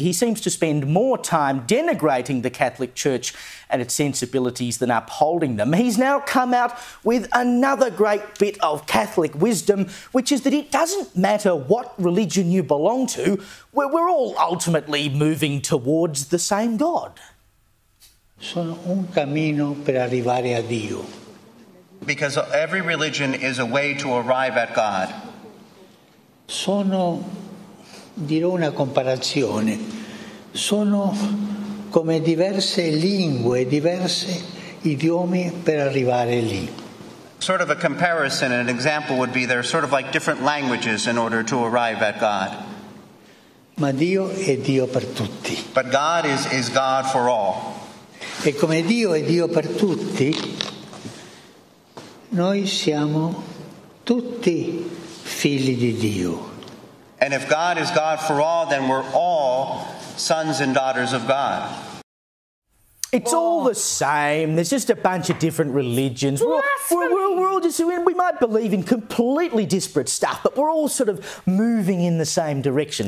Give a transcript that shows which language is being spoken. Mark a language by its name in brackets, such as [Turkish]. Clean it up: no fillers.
[English] He seems to spend more time denigrating the Catholic Church and its sensibilities than upholding them. He's now come out with another great bit of Catholic wisdom, which is that it doesn't matter what religion you belong to, we're all ultimately moving towards the same God. [Italian] Sono un cammino per arrivare a Dio. [English] Because every religion is a way to arrive at God. [Italian] Sono, dirò una comparazione, sono come diverse lingue, diverse idiomi per arrivare lì. [English] Sort of a comparison, an example would be they're sort of like different languages in order to arrive at God. [Italian] Ma Dio è Dio per tutti. [English] But God is God for all. [Italian] E come Dio è Dio per tutti, noi siamo tutti figli di Dio. [English] And if God is God for all, then we're all sons and daughters of God. It's all the same. There's just a bunch of different religions. We might believe in completely disparate stuff, but we're all sort of moving in the same direction.